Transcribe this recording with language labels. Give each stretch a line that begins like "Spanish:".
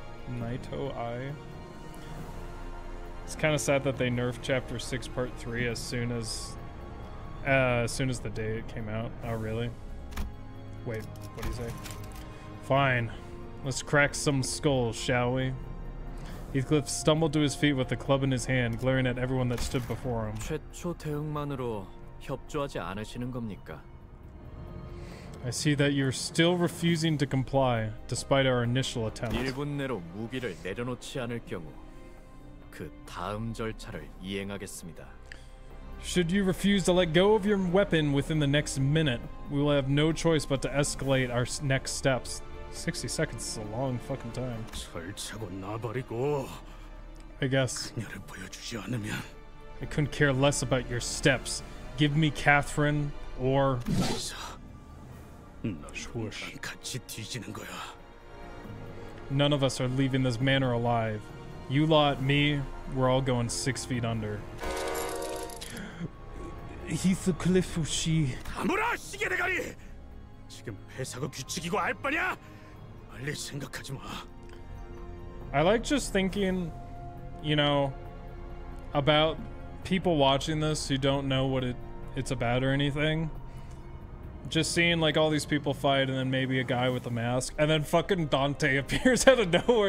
English: Naito Eye. It's kind of sad that they nerfed Chapter 6 Part 3 as soon as the day it came out. Oh, really? Wait, what do you say? Fine. Let's crack some skulls, shall we? Heathcliff stumbled to his feet with the club in his hand, glaring at everyone that stood before him.
Korean: 최초 대응만으로 협조하지 않으시는 겁니까?
English: I see that you're still refusing to comply, despite our initial attempt.
Korean: 1분 내로 무기를 내려놓지 않을 경우, 그 다음 절차를 이행하겠습니다.
English: Should you refuse to let go of your weapon within the next minute, we will have no choice but to escalate our next steps. 60 seconds is a long fucking time.
Korean: 절차고 나발이고.
English: I guess.
Korean: 그녀를 보여주지 않으면.
English: I couldn't care less about your steps. Give me Catherine, or...
Korean: 같이 뒤지는 거야.
English: None of us are leaving this manor alive. You lot, me, we're all going 6 feet under. Heathcliff, she...
Korean: 다물아, 시계대가리! 지금 회사가 규칙이고 알 바냐? 빨리 생각하지 마.
English: I like just thinking, you know, about people watching this who don't know what it's about or anything. Just seeing like all these people fight and then maybe a guy with a mask and then fucking Dante appears out of nowhere.